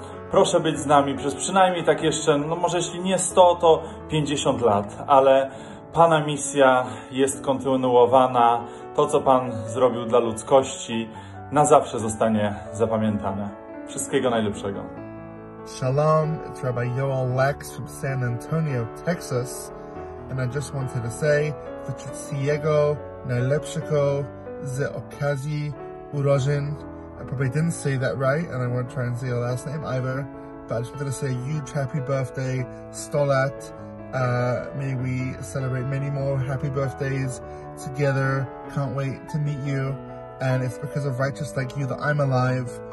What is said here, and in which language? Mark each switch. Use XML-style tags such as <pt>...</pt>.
<pl>Proszę być z nami przez przynajmniej tak jeszcze, no może jeśli nie 100, to 50 lat, ale Pana misja jest kontynuowana. To, co Pan zrobił dla ludzkości, na zawsze zostanie zapamiętane. Wszystkiego najlepszego.</pl> <en>Shalom, it's Rabbi Yoel Lex from San Antonio, Texas. And I just wanted to say,</en> <pl>Wytrzyjego najlepszego z okazji urodzin.</pl> <en>I probably didn't say that right, and I won't try and say your last name either. But I just wanted to say, huge happy birthday, Stolat. May we celebrate many more happy birthdays together. Can't wait to meet you. And it's because of righteous like you that I'm alive.</en>